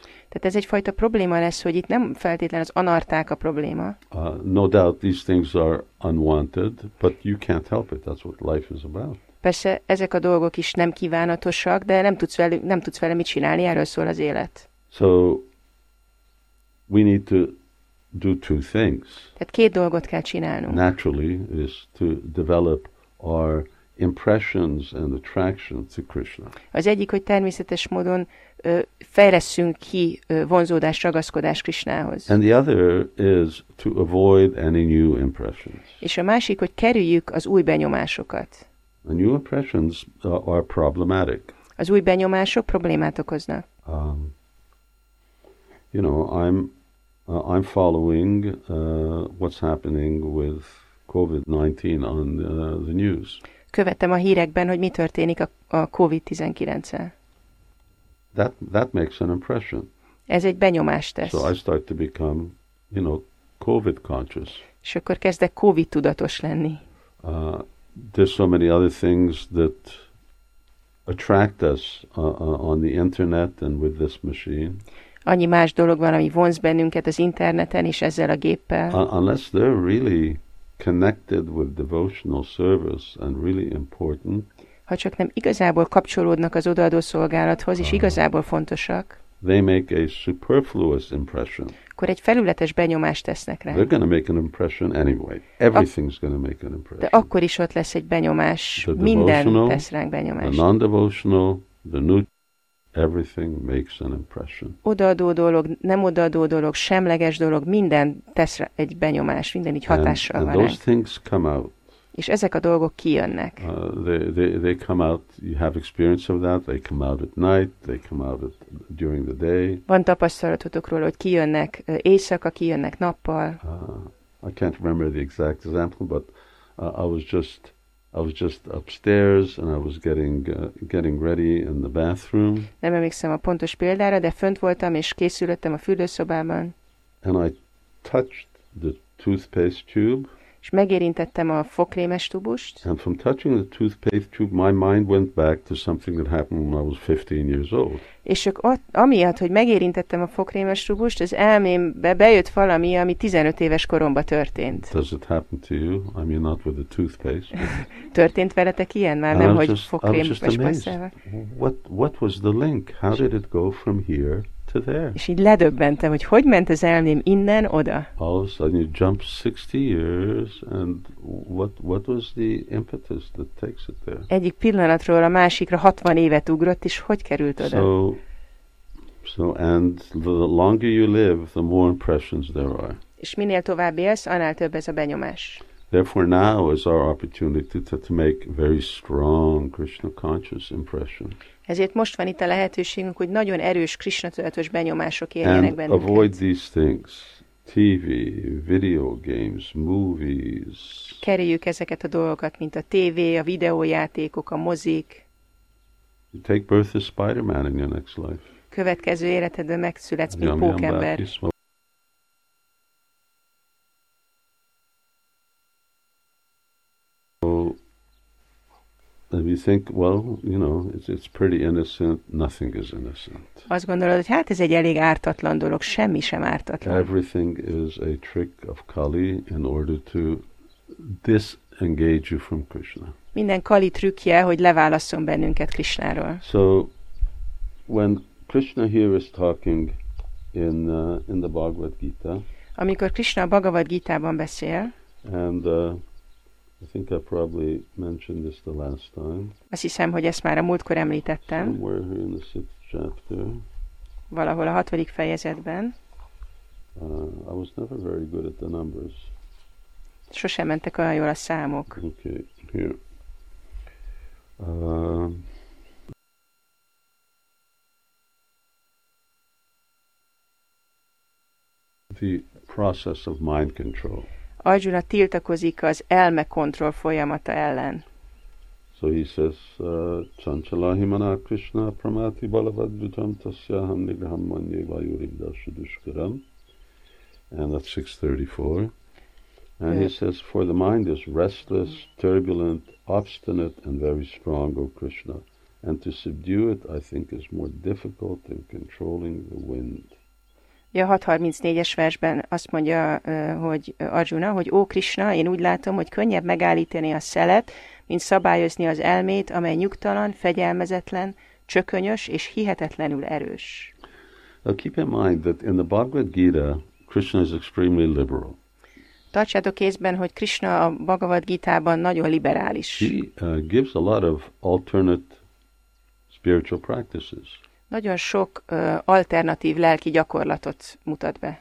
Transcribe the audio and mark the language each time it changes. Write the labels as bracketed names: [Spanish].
[Hungarian] Tehát ez egyfajta probléma lesz, hogy itt nem feltétlenül az anarták a probléma. [English] No doubt these things are unwanted, but you can't help it. That's what life is about. [Hungarian] Persze ezek a dolgok is nem kívánatosak, de nem tudsz vele mit csinálni, erről szól az élet. [English] So we need to do two things. [Hungarian] Tehát két dolgot kell csinálnunk. [English] Naturally is to develop our impressions and attraction to Krishna. [Hungarian] Az egyik, hogy természetes módon fejleszünk ki vonzódás, ragaszkodás Krishnához. [English] And the other is to avoid any new impressions. [Hungarian] És a másik, hogy kerüljük az új benyomásokat. [English] The new impressions are problematic. [Hungarian] Az új benyomások problémát okoznak. [English] You know, I'm following what's happening with COVID-19 on the news. [Hungarian] Követem a hírekben, hogy mi történik a COVID-19-el. [English] That makes an impression. [Hungarian] Ez egy benyomást tesz. [English] So I start to become, you know, COVID conscious. [Hungarian] És akkor kezdek COVID tudatos lenni. [English] There's so many other things that attract us on the internet and with this machine. [Hungarian] Annyi más dolog van, ami vonz bennünket az interneten és ezzel a géppel. [English] Unless they're really connected with devotional service and really important. [Hungarian] ha csak nem igazából kapcsolódnak az odaadó szolgálathoz, és igazából fontosak, [English] they make a superfluous impression. [Hungarian] Akkor egy felületes benyomást tesznek rá. [English] They're going to make an impression anyway. Everything's going to make an impression. [Hungarian] De akkor is ott lesz egy benyomás. Minden tesz ránk benyomást. [English] The non-devotional, the new, everything makes an impression. [Hungarian] Odaadó dolog, nem odaadó dolog, semleges dolog, minden tesz egy benyomást, minden így hatással [English] and [Hungarian] van [English] those [Hungarian] ránk. [English] Things come out. [Hungarian] És ezek a dolgok kijönnek. [English] They come out, you have experience of that, they come out at night, they come out at, during the day. [Hungarian] Van tapasztalatotok róla, hogy kijönnek éjszaka, kijönnek nappal. [English] I can't remember the exact example, but I was just upstairs and I was getting ready in the bathroom. [Hungarian] Nem emlékszem a pontos példára, de fönt voltam és készülöttem a fürdőszobában. [English] And I touched the toothpaste tube. [Hungarian] És megérintettem a fogkrémes tubust. [English] And from touching the toothpaste tube, my mind went back to something that happened when I was 15 years old. [Hungarian] És csak amiatt, hogy megérintettem a fogkrémes tubust, az elmémbe bejött valami, ami 15 éves koromba történt. [English] Does it happen to you? I mean, not with the toothpaste. [Hungarian] Történt veletek ilyen? Már [English] and [Hungarian] nem, [English] just, [Hungarian] hogy fogkrémes [English] what was the link? How did it go from here to there? [Hungarian] És így ledöbbentem, hogy hogy ment az elmém innen oda. [English] All of a sudden you jump 60 years, and what was the impetus that takes it there? [Hungarian] Egyik pillanatról a másikra 60 évet ugrott, és hogy került oda? [English] So and the longer you live, the more impressions there are. [Hungarian] És minél tovább élsz, annál több ez a benyomás. [English] Therefore, now is our opportunity to make very strong Krishna conscious impressions. [Hungarian] Ezért most van itt a lehetőségünk, hogy nagyon erős Krishna tudatos benyomások éljenek bennünket. [English] And avoid these things: TV, video games, movies. [Hungarian] Kerüljük ezeket a dolgokat, mint a TV, a videójátékok, a mozik. [English] You take birth as Spider-Man in your next life. [Hungarian] Következő életedben megszületsz, mint pókember. [English] If you think, well, you know, it's pretty innocent, nothing is innocent. [Hungarian] Azt gondolod, hogy hát ez egy elég ártatlan dolog, semmi sem ártatlan. [English] Everything is a trick of Kali in order to disengage you from Krishna. [Hungarian] Minden Kali trükkje, hogy leválasszon bennünket Krishnáról. [English] So, when Krishna here is talking in the Bhagavad Gita, [Hungarian] amikor Krishna a Bhagavad Gita-ban beszél, [English] and I think I probably mentioned this the last time. [Hungarian] Azt hiszem, hogy ezt már a múltkor említettem. [English] Somewhere here in the sixth chapter. [Hungarian] Valahol a hatodik fejezetben. [English] I was never very good at the numbers. [Hungarian] Sosem mentek olyan jól a számok. [English] Okay, here. The process of mind control. [Hungarian] Arjuna tiltakozik az elme kontroll folyamata ellen. [English] So he says, [Sanskrit] Chanchala himana Krishna pramati balavad vidham tasya ham nigham manye vayurim dasu dushkaram. [English] And that's 634. And he says, for the mind is restless, turbulent, obstinate, and very strong, O Krishna. And to subdue it, I think, is more difficult than controlling the wind. [Hungarian] A 634-es versben azt mondja, hogy Arjuna, hogy ó Krishna, én úgy látom, hogy könnyebb megállítani a szelet, mint szabályozni az elmét, amely nyugtalan, fegyelmezetlen, csökönyös és hihetetlenül erős. [English] Now keep in mind that in the Bhagavad Gita, Krishna is extremely liberal. [Hungarian] Tartsátok kézben, hogy Krishna a Bhagavad Gita-ban nagyon liberális. [English] He gives a lot of alternate spiritual practices. [Hungarian] Nagyon sok alternatív lelki gyakorlatot mutat be.